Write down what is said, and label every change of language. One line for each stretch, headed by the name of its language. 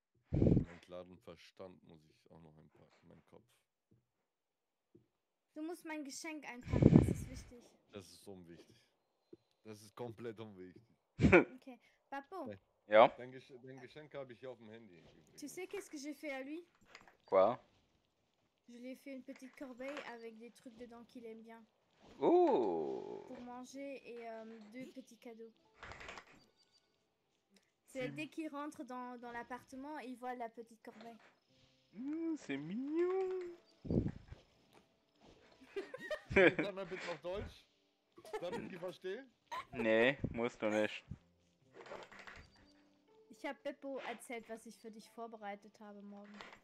German: Entladen Verstand muss ich auch noch einpacken, mein Kopf. Du musst mein Geschenk einpacken, das ist wichtig. Das ist unwichtig. Das ist komplett unwichtig. Okay, Babbo. Ja? Dein Geschenk habe ich hier auf dem Handy.
French: Tu sais qu'est-ce que j'ai fait à lui? Quoi? Je lui ai fait une petite corbeille avec des trucs dedans qu'il aime bien. Oh! Pour manger et deux petits cadeaux. C'est dès qu'il rentre dans l'appartement, il voit la petite corbeille. C'est mignon!
German: Sag mal bitte auf Deutsch, damit ich die verstehe. Nee, musst du nicht. Ich habe Beppo erzählt, was ich für dich vorbereitet habe morgen.